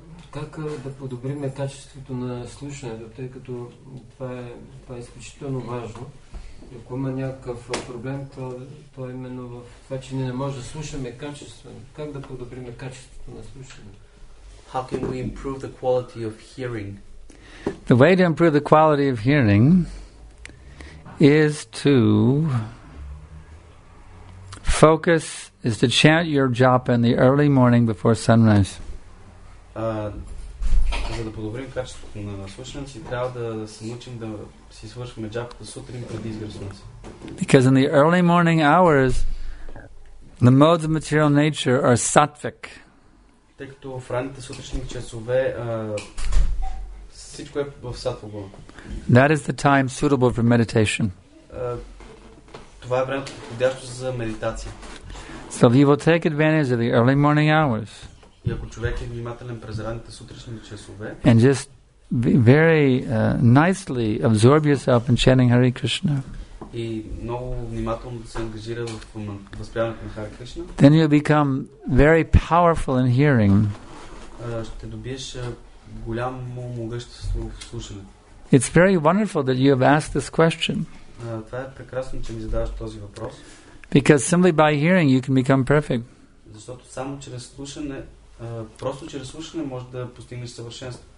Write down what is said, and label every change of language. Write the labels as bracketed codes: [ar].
[bg] Как да подобрим качеството на слушането, тъй като това е изключително важно. Ако има някакъв проблем, то е именно в това, че ние не можем да слушаме качествено. Как да подобрим качеството на слушане? [en] How can we improve the quality of hearing? The way to improve the quality of hearing is to focus, is to chant your japa in the early morning before sunrise. [bg] За да подобрим качеството на слушането си, трябва да се научим да си свършваме джапата сутрин преди изгрев слънце. [en] Because in the early morning hours, the modes of material nature are sattvic. [bg] Тъй като в ранните сутрешни часове всичко е в сатва го. [en] That is the time suitable for meditation. [bg] Това е времето подходящо за медитация. [en] So if you will take advantage of the early morning hours, [bg] и ако човек е внимателен през ранните сутрешни часове, [en] and just be very nicely absorb yourself in chanting Hare Krishna, [bg] и много внимателно да се ангажира в възприемането на Хари Кришна, [en] then you become very powerful in hearing. [bg] Ще добиеш голямо могъщество в слушането. [en] It's very wonderful that you have asked this question. [bg] Това е прекрасно, че ми задаваш този въпрос. [en] Because simply by hearing you can become perfect. [bg] Защото само чрез слушане, просто чрез слушане може да постигнеш съвършенство.